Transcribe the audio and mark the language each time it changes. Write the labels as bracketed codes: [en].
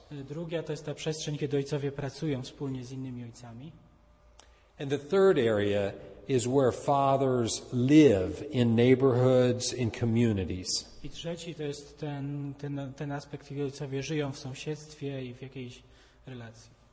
[pl] Druga to jest ta przestrzeń, kiedy ojcowie pracują wspólnie z innymi ojcami. [en] And the third area is where fathers live in neighborhoods, in communities. [pl] I trzeci to jest ten aspekt, kiedy ojcowie żyją w sąsiedztwie i w jakiejś relacji.